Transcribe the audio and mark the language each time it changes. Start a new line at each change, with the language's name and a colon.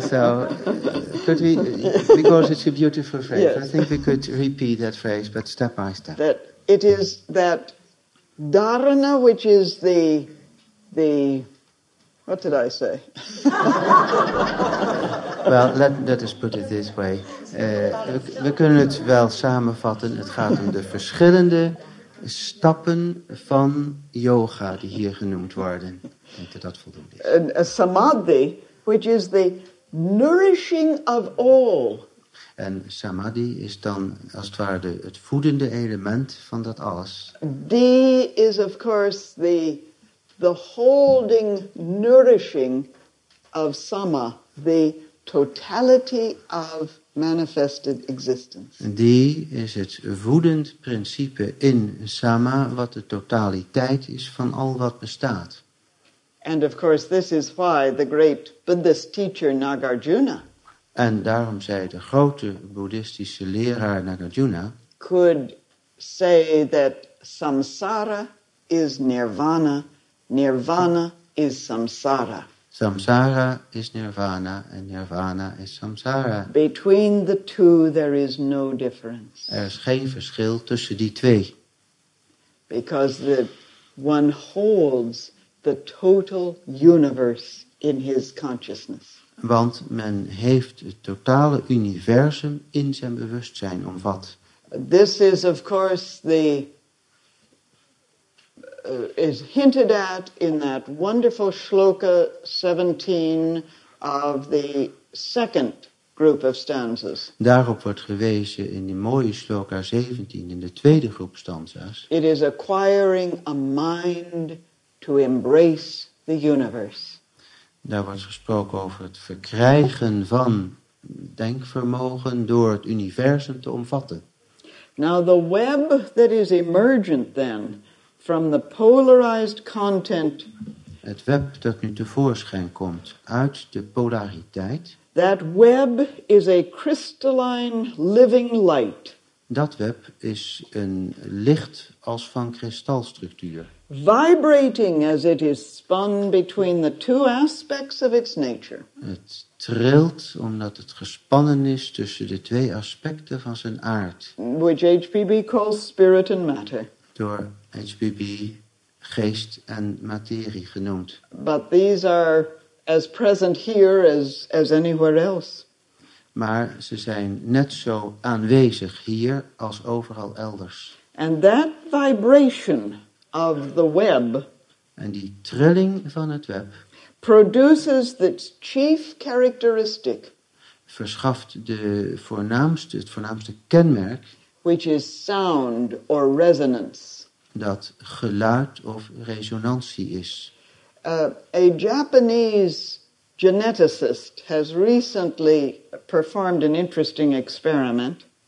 English: So, could we, because it's a beautiful phrase, yes. I think we could repeat that phrase, but step by step. That it is that dharana, which is the what did I say? Well, let us put it this way.
Dutch: We kunnen het wel samenvatten. Het gaat om de verschillende stappen van yoga die hier genoemd worden. Ik denk dat voldoende is.
English: A samadhi, which is the nourishing of all.
Dutch: En samadhi is dan als het ware het voedende element van dat alles.
English: D is of course the holding, nourishing of sama, the totality of manifested existence.
Dutch: D is het voedend principe in sama, wat de totaliteit is van al wat bestaat.
English: And of course, this is why the great Buddhist teacher Nagarjuna.
Dutch: En daarom zei de grote boeddhistische leraar Nagarjuna.
English: Could say that samsara is nirvana. Nirvana is samsara. Samsara is nirvana, and nirvana is samsara. Between the two, there is no difference.
Dutch: Er is geen verschil tussen die twee.
English: Because the one holds the total universe in his consciousness.
Dutch: Want men heeft het totale universum in zijn bewustzijn omvat.
English: This is of course is hinted at in that wonderful shloka 17 of the second group of stanzas.
Dutch: Daarop wordt gewezen in die mooie shloka 17 in de tweede groep stanzas.
English: It is acquiring a mind to embrace the universe.
Dutch: Daar wordt gesproken over het verkrijgen van denkvermogen door het universum te omvatten.
English: Now the web that is emergent then from the polarized content.
Dutch: Het web dat nu tevoorschijn komt uit de polariteit.
English: That web is a crystalline living light.
Dutch: Dat web is een licht als van kristalstructuur.
English: Vibrating as it is spun between the two aspects of its nature.
Dutch: Het trilt omdat het gespannen is tussen de twee aspecten van zijn aard.
English: Which HPB calls spirit and matter.
Dutch: Door HPB geest en materie genoemd.
English: But these are as present here as anywhere else.
Dutch: Maar ze zijn net zo aanwezig hier als overal elders.
English: And that vibration of the web.
Dutch: En die trilling van het web.
English: Produces the chief characteristic.
Dutch: Verschaft het voornaamste kenmerk.
English: Which is sound or resonance.
Dutch: Dat geluid of resonantie is.
English: A Japanese geneticist has recently performed an interesting experiment.